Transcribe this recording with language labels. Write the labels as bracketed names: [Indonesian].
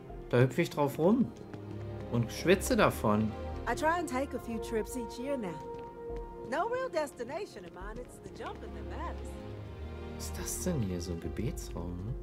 [German] Da hüpfe ich drauf rum und schwitze davon. [English] I try and take a few trips each year now. No real destination of mine, it's the jump in the maps. [German] Was ist das denn hier, so ein Gebetsraum?